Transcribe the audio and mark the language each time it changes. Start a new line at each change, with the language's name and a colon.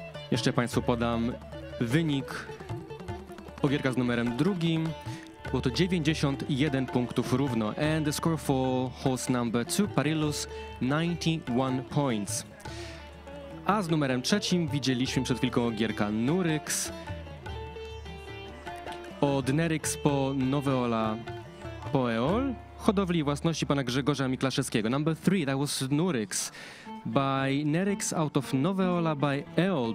Polish: Jeszcze Państwu podam wynik ogierka z numerem drugim. Było to 91 punktów równo.
English: And the score for horse number two, Parillus, 91 points.
Polish: A z numerem trzecim widzieliśmy przed chwilką ogierka Nurix. Od Nerix po Noveola Poeol. Hodowli własności pana Grzegorza Miklaszewskiego.
English: Number three, that was Nurix. By Nerix out of Noveola by Eol.